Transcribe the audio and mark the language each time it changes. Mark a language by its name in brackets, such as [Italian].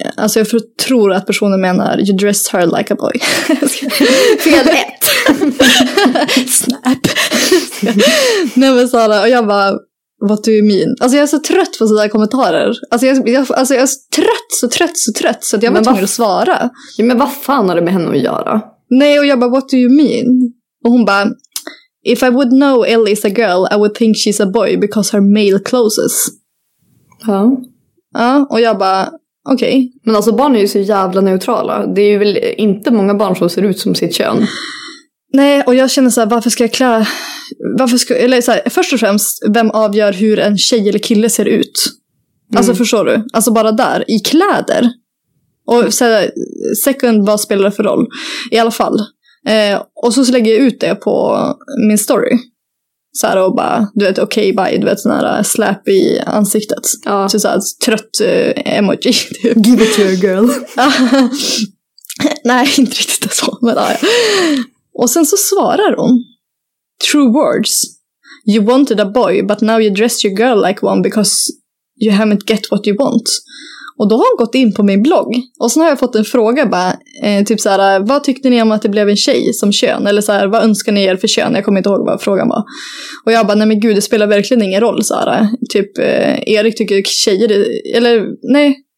[Swedish] Alltså jag tror att personen menar [English] you dress her like a boy. [Swedish] Fick jag lätt. Snap. Nej, men Sara, och jag bara, [English] what do you mean? [Swedish] Alltså jag är så trött på sådana kommentarer. Alltså jag är så trött så att jag var tvungen att svara. Ja, men vad fan har det med henne att göra? Nej, och jag bara, [English] what do you mean? [Swedish] Och hon bara, [English] if I would know Ellie is a girl, I would think she's a boy because her male closes. [Swedish] Ja. Ja, och jag bara, okej. Okay. Men alltså barn är ju så jävla neutrala. Det är ju väl inte många barn som ser ut som sitt kön. Nej, och jag känner så här, varför ska jag klä... Varför ska, eller så här, först och främst, vem avgör hur en tjej eller kille ser ut? Alltså, förstår du? Alltså bara där, i kläder. Och så här, second, vad spelar det för roll? I alla fall. Och så lägger jag ut det på min story. Så här, och bara, du vet, okej, [English] okay, bye. [Swedish] Du vet, sån här slap i ansiktet. Ja. Så här, trött emoji. [English] Give it to your girl. [Swedish] Nej, inte riktigt så. Men ja. Och sen så svarar hon. [English] True words. You wanted a boy, but now you dress your girl like one because you haven't get what you want. [Swedish] Och då har hon gått in på min blogg. Och sen har jag fått en fråga, bara, typ så här, vad tyckte ni om att det blev en tjej som kön? Eller så här, vad önskar ni er för kön? Jag kommer inte ihåg vad frågan var. Och jag bara, nej men gud, det spelar verkligen ingen roll. Så här, typ, Erik tycker tjejer, eller nej.